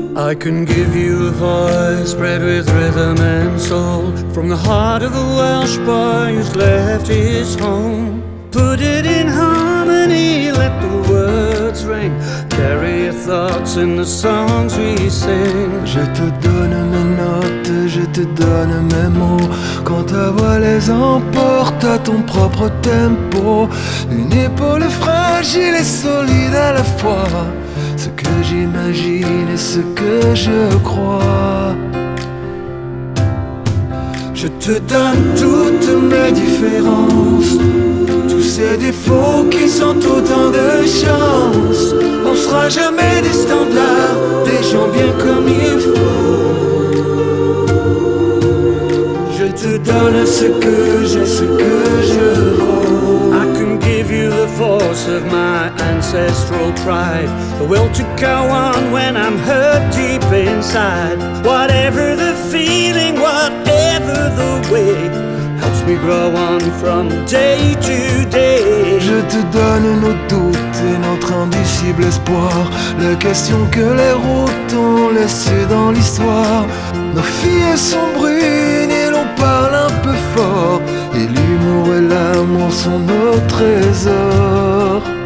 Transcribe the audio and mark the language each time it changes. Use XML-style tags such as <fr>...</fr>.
<en>I can give you a voice spread with rhythm and soul. From the heart of a Welsh boy who's left his home. Put it in harmony, let the words ring. Carry your thoughts in the songs we sing.</en> <fr>Je te donne mes notes, je te donne mes mots. Quand ta voix les emporte à ton propre tempo. Une épaule fragile et solide à la fois. Ce que j'imagine et ce que je crois. Je te donne toutes mes différences. Tous ces défauts qui sont autant de chances. On sera jamais des standards, des gens bien comme il faut. Je te donne ce que j'ai, ce que je vaux.</fr> <en>I can give you the force of my ancestral pride. The will to go on when I'm hurt deep inside. Whatever the feeling, whatever the way. We grow on from day to day.</en> <fr>Je te donne nos doutes et notre indicible espoir. Les questions que les routes ont laissées dans l'histoire. Nos filles sont brunes et l'on parle un peu fort. Et l'humour et l'amour sont nos trésors.</fr>